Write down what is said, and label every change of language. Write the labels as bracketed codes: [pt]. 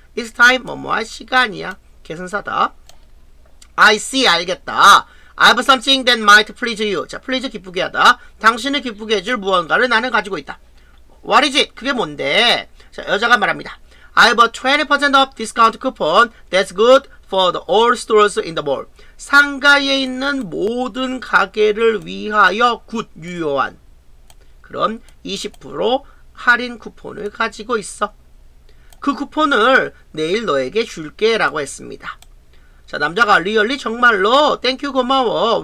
[en] It's time, [ko] 뭐뭐 할 시간이야. 계산사다. [en] I see, [ko] 알겠다. [en] I have something that might please you. [ko] 자, please 기쁘게 하다. 당신을 기쁘게 해줄 무언가를 나는 가지고 있다. [en] What is it? [ko] 그게 뭔데? 자, 여자가 말합니다. [en] I have a 20% off discount coupon that's good for the all stores in the mall. [ko] 상가에 있는 모든 가게를 위하여 굿, 유효한. 그런 20% 할인 쿠폰을 가지고 있어. 그 쿠폰을 내일 너에게 줄게 라고 했습니다. 자, 남자가 리얼리 정말로 땡큐 고마워.